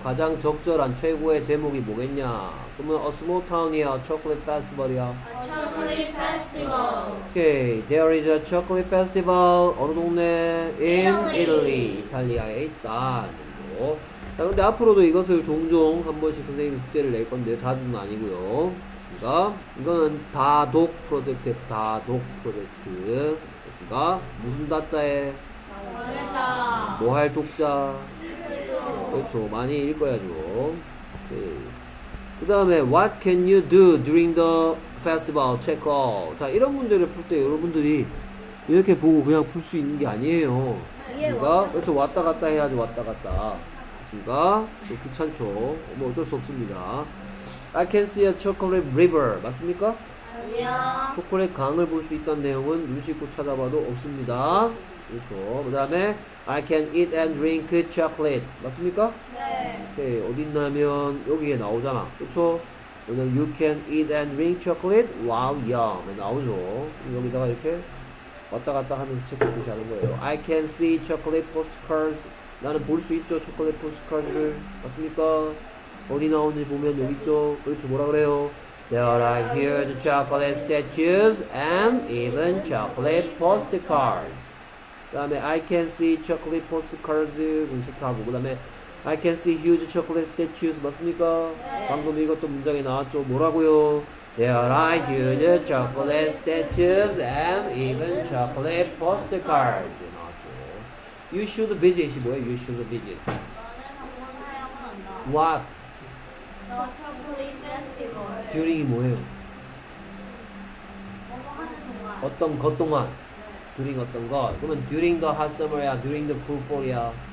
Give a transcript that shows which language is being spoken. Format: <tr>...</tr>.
<ko>가장 적절한 최고의 제목이 뭐겠냐?</ko> <en>그러면 a small town이야, chocolate festival이야? A chocolate festival. Okay, there is a chocolate festival</en> <ko>어느 동네?</ko> <en>In Italy.</en> <ko>이탈리아에 있다. 자, 근데 앞으로도 이것을 종종 한 번씩 선생님이 숙제를 낼 건데요. 자주는 아니고요. 됐습니까? 이거는 다독 프로젝트, 다독 프로젝트. 됐습니까? 무슨 다짜에? 다르다. 뭐 할 독자? 그렇죠. 많이 읽어야죠. 네. 그 다음에</ko> <en>What can you do during the festival check out?</en> <ko>자, 이런 문제를 풀 때 여러분들이 이렇게 보고 그냥 풀 수 있는 게 아니에요. 그러니까 그렇죠. 왔다 갔다 해야지. 왔다 갔다. 그러니까 귀찮죠. 뭐 어쩔 수 없습니다.</ko> <en>I can see a chocolate river.</en> <ko>맞습니까? 아니요. 초콜릿 강을 볼 수 있다는 내용은 눈 씻고 찾아봐도 없습니다. 그렇죠. 그 다음에</ko> <en>I can eat and drink chocolate.</en> <ko>맞습니까? 네. 오케이. 어딨나면 여기에 나오잖아. 그렇죠. 그럼</ko> <en>you can eat and drink chocolate while young.</en> <ko>나오죠. 여기다가 이렇게 왔다 갔다 하면서 책을 표시하는 거예요.</ko> <en>I can see chocolate postcards.</en> <ko>나는 볼 수 있죠, 초콜릿 포스트카드를. 맞습니까? 어디 나오는지 보면 여기 있죠. 그렇죠, 뭐라 그래요?</ko> <en>There are huge chocolate statues and even chocolate postcards.</en> <ko>그 다음에</ko> <en>I can see chocolate postcards.</en> <ko>그럼 체크하고.</ko> <en>그 다음에 I can see huge chocolate statues. 맞습니까?</en> <ko>방금 이것도 문장에 나왔죠. 뭐라고요?</ko> <en>There are huge chocolate statues and even chocolate postcards. You should visit.</en> <ko>뭐예요?</ko> <en>You should visit.</en> <ko>너는 방문하여야만 한다.</ko> <en>What? The chocolate festival.</en> <ko>During이 뭐예요? 동안. 어떤 것 동안? 네. During 어떤 것? 그러면</ko> <en>during the hot summer</en> <ko>야?</ko> <en>During the cool fall야?</en>